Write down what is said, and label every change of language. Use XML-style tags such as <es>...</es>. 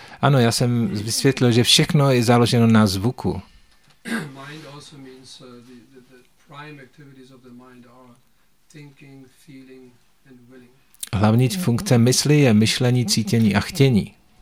<cs>Ano, já jsem vysvětlil, že všechno je založeno na zvuku.</cs> <en>Mind also means the prime activities of the mind are thinking, feeling and willing.</en> <cs>Hlavní funkce mysli je myšlení, cítění a chtění.</cs>